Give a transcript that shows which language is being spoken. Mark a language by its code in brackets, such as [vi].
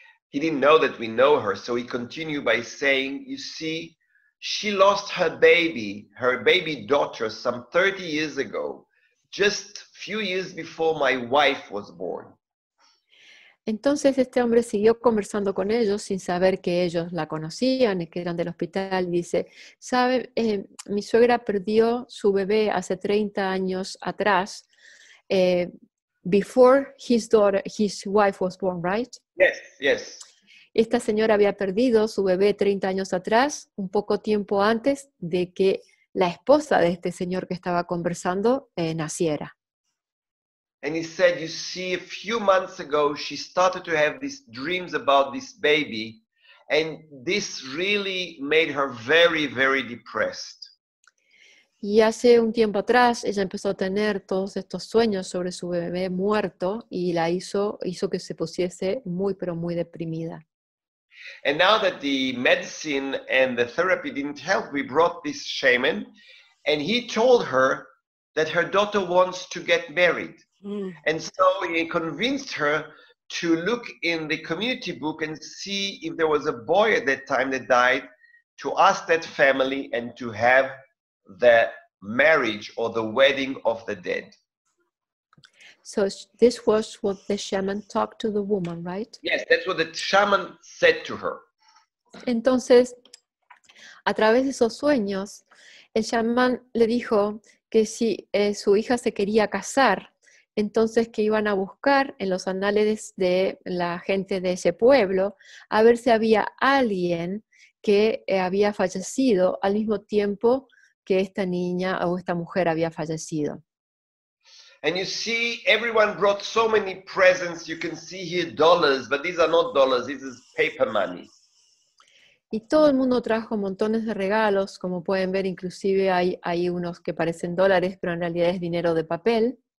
[en] He didn't know that we know her, so he continued by saying, you see, she lost her baby daughter, some 30 years ago, just few years before my wife was born. [es] Entonces este hombre siguió conversando con ellos sin saber que ellos la conocían y que eran del hospital. Dice, ¿sabe? Mi suegra perdió su bebé hace 30 años atrás, [en] before his daughter, his wife was born, right? Yes, yes. [es] Esta señora había perdido su bebé 30 años atrás, un poco tiempo antes de que la esposa de este señor que estaba conversando naciera. [en] And he said, you see, a few months ago she started to have these dreams about this baby, and this really made her very, very depressed. [es] Y hace un tiempo atrás ella empezó a tener todos estos sueños sobre su bebé muerto y la hizo que se pusiese muy, pero muy deprimida. [en] And now that the medicine and the therapy didn't help, we brought this shaman, and he told her that her daughter wants to get married. And so he convinced her to look in the community book and see if there was a boy at that time that died, to ask that family and to have the marriage or the wedding of the dead. So this was what the shaman talked to the woman, right? Yes, that's what the shaman said to her. [es] Entonces, a través de esos sueños, el shaman le dijo que si su hija se quería casar, entonces que iban a buscar en los anales de la gente de ese pueblo a ver si había alguien que había fallecido al mismo tiempo que esta niña o esta mujer había fallecido. [en] And you see, everyone brought so many presents. You can see here dollars, but these are not dollars. This is paper money. [es] Y todo el mundo trajo montones de regalos, como pueden ver, inclusive hay unos que parecen dólares, pero en realidad es dinero de papel.